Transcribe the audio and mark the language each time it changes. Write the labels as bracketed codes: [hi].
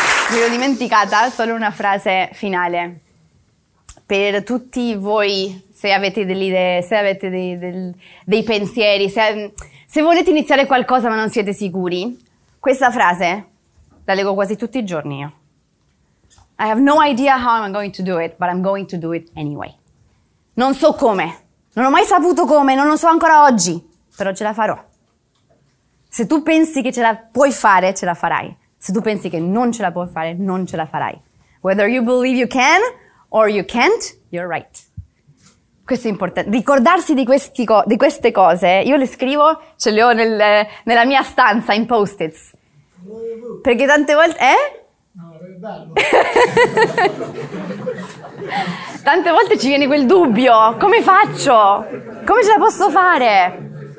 [it] Mi ero dimenticata, solo una frase finale. Per tutti voi, se avete delle idee, se avete dei pensieri, se volete iniziare qualcosa ma non siete sicuri, questa frase la leggo quasi tutti i giorni io. [en] I have no idea how I'm going to do it, but I'm going to do it anyway. [it] Non so come, non ho mai saputo come, non lo so ancora oggi, però ce la farò. Se tu pensi che ce la puoi fare, ce la farai. Se tu pensi che non ce la puoi fare, non ce la farai. [en] Whether you believe you can or you can't, you're right. [it] Questo è importante. Ricordarsi di queste cose, io le scrivo, ce le ho nella mia stanza, in post-its. Perché tante volte... No, è bello. Tante volte ci viene quel dubbio. Come faccio? Come ce la posso fare?